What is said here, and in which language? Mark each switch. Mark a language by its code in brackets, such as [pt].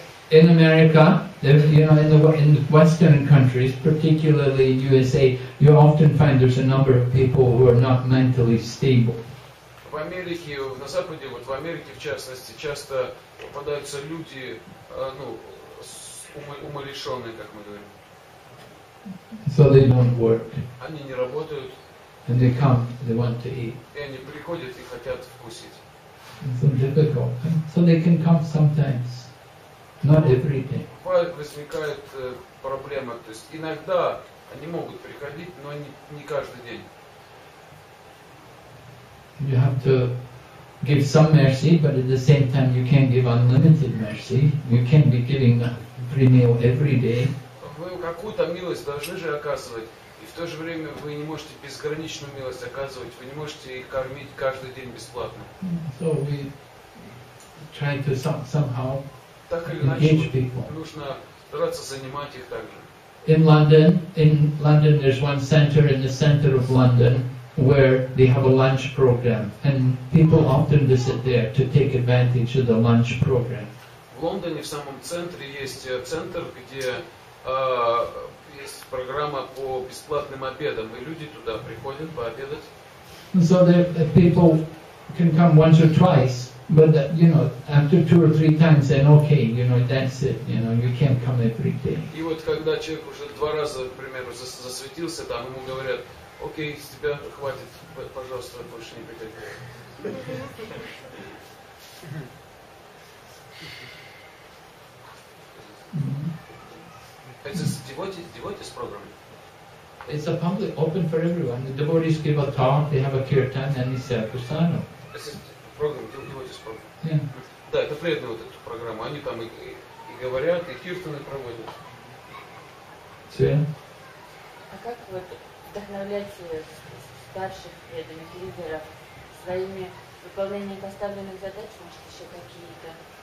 [en] In America, you know, in the Western countries, particularly in USA, you often find there's a number of people who are not mentally stable. [ru] В Америке, на Западе, вот в Америке в частности, часто попадаются люди, ну, умалишенные, как мы говорим. [en] So they don't work. [ru] Они не работают. [en] And they come, they want to eat. [ru] И они приходят и хотят вкусить. [en] So difficult. So they can come sometimes, not every day. [ru] Бывает возникает проблема, то есть иногда они могут приходить, но не каждый день. [en] You have to give some mercy, but at the same time you can't give unlimited mercy. You can't be giving a free meal every day. [ru] Вы какую-то милость должны же оказывать, и в то же время вы не можете безграничную милость оказывать, вы не можете их кормить каждый день бесплатно. [en] So we try to somehow [ru] так или иначе, [en] engage people. [ru] Нужно стараться занимать их также. [en] In London there's one center in the center of London where they have a lunch program, and people often visit there to take advantage of the lunch program. [ru] В Лондоне в самом центре есть центр, где есть программа по бесплатным обедам, и люди туда приходят пообедать. [en] So the people can come once or twice, but that, you know, after two or three times, then okay, you know, that's it, you know, you can't come every day. [ru] И вот когда человек уже два раза, к примеру, засветился, там ему говорят, окей, с тебя хватит, пожалуйста, больше не приходи. [en] It's a devotees program. It's a public, open for everyone. The devotees give a talk, they have a kirtan, and they say, Pusano. It's a program, devotees program. Yeah. [ru] Да, это преданные вот эту программу. Они там и говорят, и киртаны проводят. Все. А как вот вдохновлять старших преданных лидеров своими выполнением поставленных задач, может, еще какие-то?